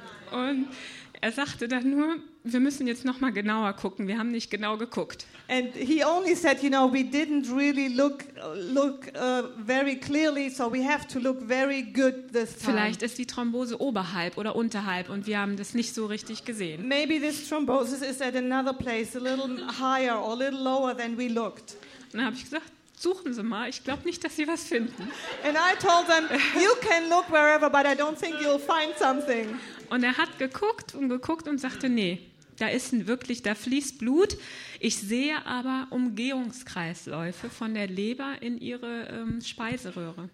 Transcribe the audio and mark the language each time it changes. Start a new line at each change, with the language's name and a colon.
German: Und er sagte dann nur, wir müssen jetzt noch mal genauer gucken. Wir haben nicht genau geguckt.
English: And he only said, you know, we didn't really look very clearly, so we have to look very good this time.
German: Vielleicht ist die Thrombose oberhalb oder unterhalb und wir haben das nicht so richtig gesehen.
English: Maybe this thrombosis is at another place, a little higher or a little lower than we looked.
German: Dann habe ich gesagt, suchen Sie mal, ich glaube nicht, dass Sie was finden.
English: And I told them, you can look wherever, but I don't think you'll find something.
German: Und er hat geguckt und sagte, nee, da ist wirklich, da fließt Blut. Ich sehe aber Umgehungskreisläufe von der Leber in ihre Speiseröhre.